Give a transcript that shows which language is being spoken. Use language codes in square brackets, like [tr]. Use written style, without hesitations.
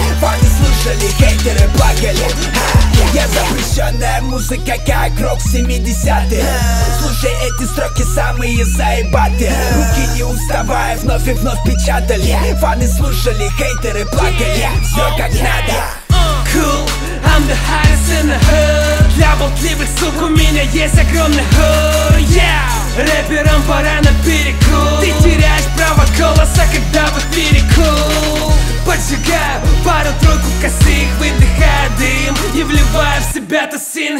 [ru] Фаны слушали, хейтеры плакали. Я запрещенная музыка, как рок 70-х. Слушай, эти строки самые заебатые. Руки не уставая, вновь и вновь печатали. Фаны слушали, хейтеры плакали. Все как надо. [en] Cool, I'm the hottest in the hood. [ru] Для болтливых сук у меня есть огромный hood. Yeah, рэперам пора на перекур. Ты теряешь право голоса, когда в эфире cool. Поджигаю пару-тройку косых, выдыхая дым и вливая в себя тосин.